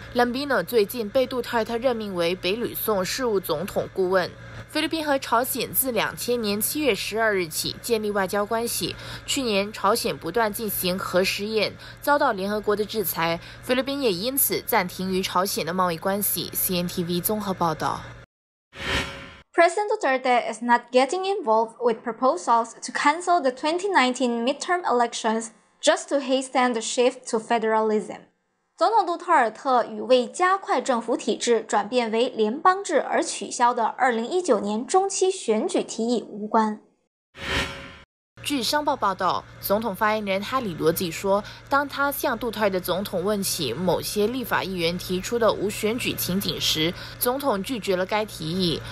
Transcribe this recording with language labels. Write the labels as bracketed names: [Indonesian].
[Chinese] Lambino 最近被杜特尔特任命为北吕宋事务总统顾问。菲律宾和朝鲜自2000年7月12日起建立外交关系。去年，朝鲜不断进行核试验，遭到联合国的制裁，菲律宾也因此暂停与朝鲜的贸易关系。 CNTV 综合报道。 [English] President Duterte is not getting involved with proposals to cancel the 2019 midterm elections just to hasten the shift to federalism. [Chinese] 总统杜特尔特与为加快政府体制转变为联邦制而取消的2019年中期选举提议无关。据商报报道，总统发言人哈里罗季说，当他向杜特尔特总统问起某些立法议员提出的无选举情景时，总统拒绝了该提议。